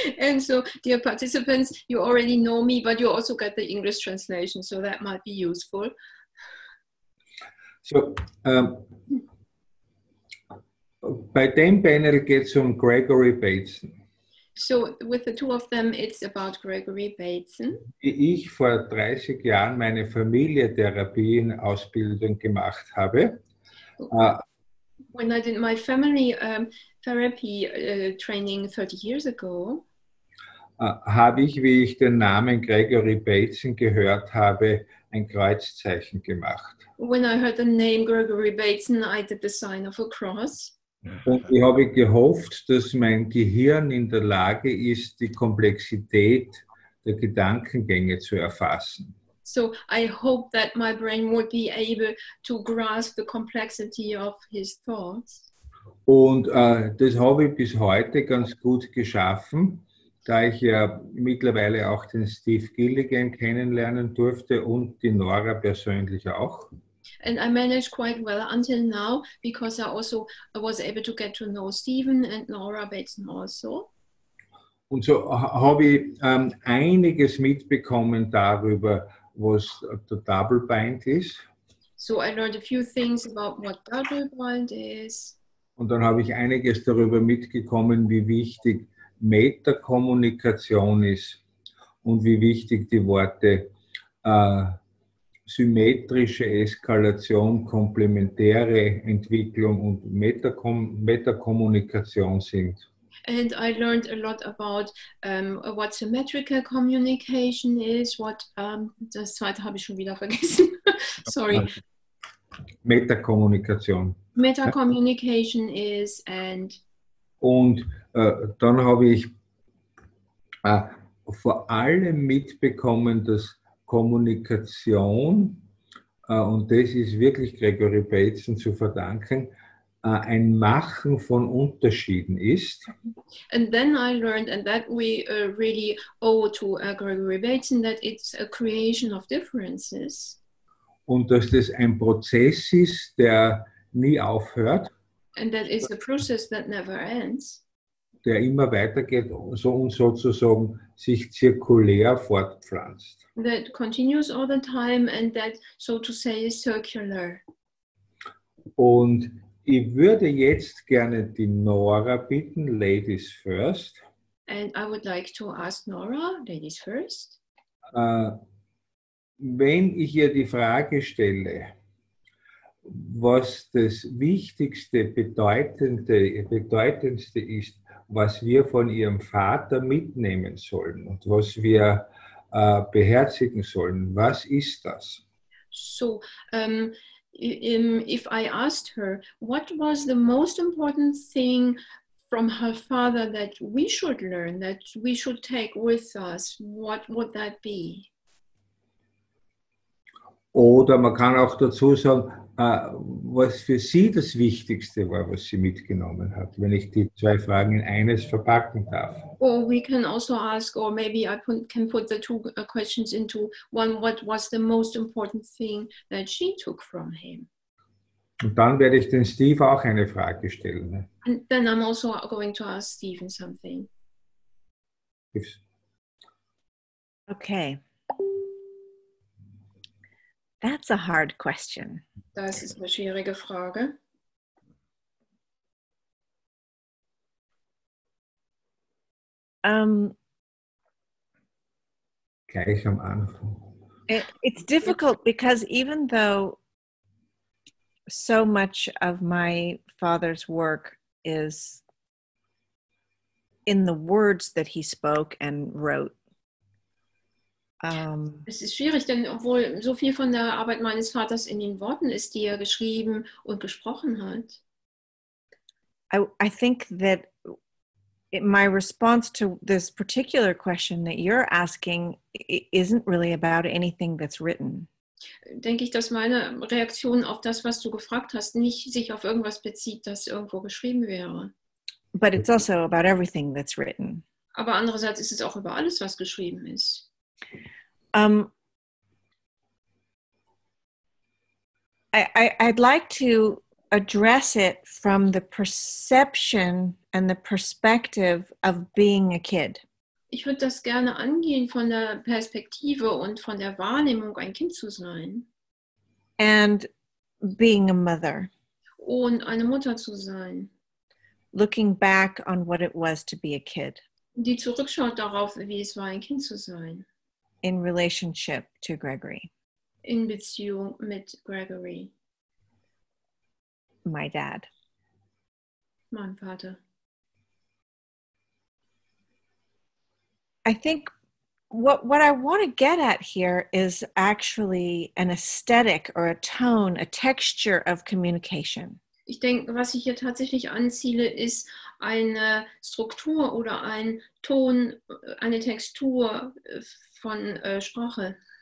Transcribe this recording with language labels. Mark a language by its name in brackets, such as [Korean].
[English] And so, dear participants, you already know me, but you also got the English translation, so that might be useful. [German] So, bei dem Panel geht es um Gregory Bateson. [English] So, with the two of them, it's about Gregory Bateson. [German] Wie ich vor 30 Jahren meine Familientherapien-Ausbildung gemacht habe, [English] when I did my family therapy training 30 years ago, [German] habe ich, wie ich den Namen Gregory Bateson gehört habe, ein Kreuzzeichen gemacht. [English] When I heard the name Gregory Bateson, I did the sign of a cross. [German] Und ich habe gehofft, dass mein Gehirn in der Lage ist, die Komplexität der Gedankengänge zu erfassen. [English] So I hope that my brain would be able to grasp the complexity of his thoughts. [German] Und das habe ich bis heute ganz gut geschaffen, da ich ja mittlerweile auch den Steve Gilligan kennenlernen durfte und die Nora persönlich auch. [English] And I managed quite well until now, because I also was able to get to know Stephen and Nora Bateson also. [German] Und so habe ich einiges mitbekommen darüber, was [English] the double bind is. So I learned a few things about what double bind is. [German] Und dann habe ich einiges darüber mitgekommen, wie wichtig Metakommunikation ist und wie wichtig die Worte symmetrische Eskalation, komplementäre Entwicklung und Metakommunikation sind. [English] And I learned a lot about what symmetrical communication is, what, [German] das zweite habe ich schon wieder vergessen, [English] sorry. [German] Metakommunikation. [English] Metakommunikation is and... [German] Und dann habe ich vor allem mitbekommen, dass Kommunikation, und das ist wirklich Gregory Bateson zu verdanken, ein Machen von Unterschieden ist. [English] And then I learned, and that we really owe to Gregory Bateson, that it's a creation of differences. [German] Und dass das ein Prozess ist, der nie aufhört. [English] And that is a process that never ends. [German] Der immer weitergeht und sozusagen sich zirkulär fortpflanzt. [English] That continues all the time and that, so to say, is circular. [German] Und ich würde jetzt gerne die Nora bitten, [English] Ladies first. And I would like to ask Nora, Ladies first. [German] Wenn ich ihr die Frage stelle, was das Wichtigste, Bedeutendste ist, was wir von ihrem Vater mitnehmen sollen und was wir beherzigen sollen. Was ist das? [English] So, if I asked her, what was the most important thing from her father that we should learn, that we should take with us, what would that be? [German] Oder man kann auch dazu sagen, was für sie das Wichtigste war, was sie mitgenommen hat, wenn ich die zwei Fragen in eines verpacken darf. [English] Or we can also ask, or maybe I can put the two questions into one, what was the most important thing that she took from him? [German] Und dann werde ich den Steve auch eine Frage stellen. [English] And then I'm also going to ask Stephen something. Okay. That's a hard question. [German] Das ist eine schwierige Frage. Gleich am Anfang. [English] It's difficult because even though so much of my father's work is in the words that he spoke and wrote, [German] es ist schwierig, denn obwohl so viel von der Arbeit meines Vaters in den Worten ist, die er geschrieben und gesprochen hat. [English] I think that my response to this particular question that you're asking isn't really about anything that's written. [German] Denke ich, dass meine Reaktion auf das, was du gefragt hast, nicht sich auf irgendwas bezieht, das irgendwo geschrieben wäre. [English] But it's also about everything that's written. [German] Aber andererseits ist es auch über alles, was geschrieben ist. [English] I'd like to address it from the perception and the perspective of being a kid. [German] Ich würde das gerne angehen von der Perspektive und von der Wahrnehmung, ein Kind zu sein. [English] And being a mother. [German] Und eine Mutter zu sein. [English] Looking back on what it was to be a kid. [German] Die zurückschaut darauf, wie es war, ein Kind zu sein. [English] In relationship to Gregory. [German] In Beziehung mit Gregory. [English] My dad. [German] Mein Vater. [English] I think what I want to get at here is actually an aesthetic or a tone, a texture of communication. [German] Ich denke, was ich hier tatsächlich anziele, ist eine Struktur oder ein Ton, eine Textur von Sprache.